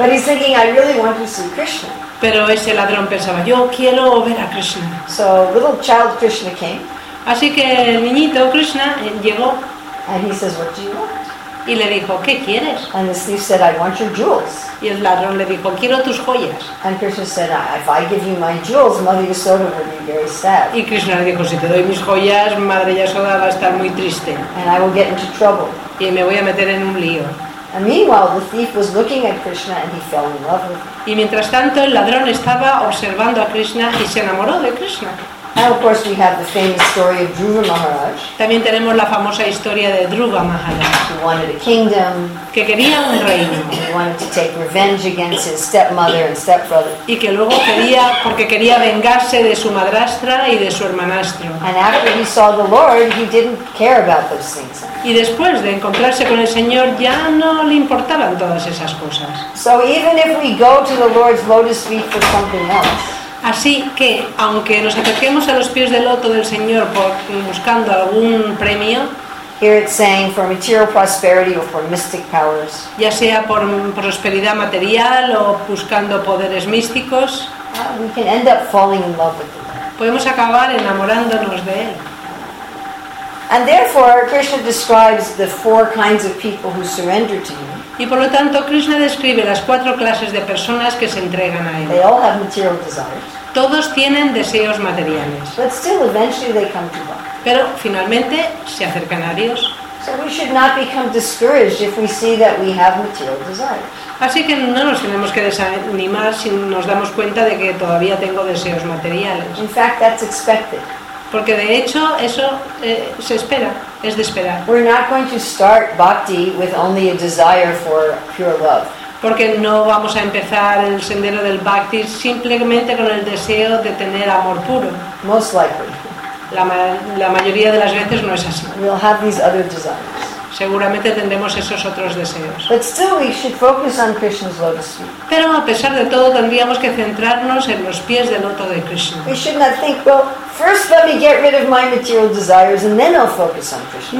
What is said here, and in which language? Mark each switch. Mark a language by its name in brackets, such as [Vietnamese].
[English] But he's thinking, I really want to see Krishna. [Spanish] Pero ese ladrón pensaba, yo quiero ver a Krishna. [English] So little child Krishna came. [Spanish] Así que el niñito Krishna llegó. [English] And he says, what do you want? [Spanish] Y le dijo, ¿qué quieres? [English] And the thief said, I want your jewels. [Spanish] Y el ladrón le dijo, quiero tus joyas. [English] And Krishna said, if I give you my jewels, Mother Yasoda would be very sad. [Spanish] Y Krishna le dijo, si te doy mis joyas, Madre Yasoda va a estar muy triste. [English] And I will get into trouble. [Spanish] Y me voy a meter en un lío. [English] And meanwhile, the thief was looking at Krishna and he fell in love with him. [Spanish] Y mientras tanto, el ladrón estaba observando a Krishna y se enamoró de Krishna. [English] And of course, we have the famous story of Dhruva Maharaj. [Spanish] También tenemos la famosa historia de Dhruva Maharaj. [English] Who wanted a kingdom? [Spanish] Que quería un reino. [English] He wanted to take revenge against his stepmother and stepbrother. [Spanish] Y que luego quería, porque quería vengarse de su madrastra y de su hermanastro. [English] And after he saw the Lord, he didn't care about those things. [Spanish] Y después de encontrarse con el Señor, ya no le importaban todas esas cosas. [English] So even if we go to the Lord's lotus feet for something else. [Spanish] Así que, aunque nos acerquemos a los pies del loto del Señor por, buscando algún premio, [English] here it's saying for material prosperity or for mystic powers. [Spanish] Ya sea por prosperidad material o buscando poderes místicos, [English] we can end up falling in love with him. [Spanish] Podemos acabar enamorándonos de él. [English] And therefore, Krishna describes the four kinds of people who surrender to him. [Spanish] Y por lo tanto, Krishna describe las cuatro clases de personas que se entregan a él. [English] They all have material desires. [Spanish] Todos tienen deseos materiales. [English] But still, eventually they come to God. [Spanish] Pero finalmente se acercan a Dios. [English] So we should not become discouraged if we see that we have material desires. [Spanish] Así que no nos tenemos que desanimar si nos damos cuenta de que todavía tengo deseos materiales. [English] In fact, that's expected. [Spanish] Porque de hecho eso se espera, es de esperar. [English] We're not going to start bhakti with only a desire for pure love. [Spanish] Porque no vamos a empezar el sendero del bhakti simplemente con el deseo de tener amor puro. [English] Most likely. [Spanish] La mayoría de las veces no es así. [English] We'll have these other desires. [Spanish] Seguramente tendremos esos otros deseos. [English] But still we should focus on Krishna's lotus feet. [Spanish] Pero a pesar de todo tendríamos que centrarnos en los pies del loto de Krishna. [English] We should not think, well, first let me get rid of my material desires and then I'll focus on Krishna.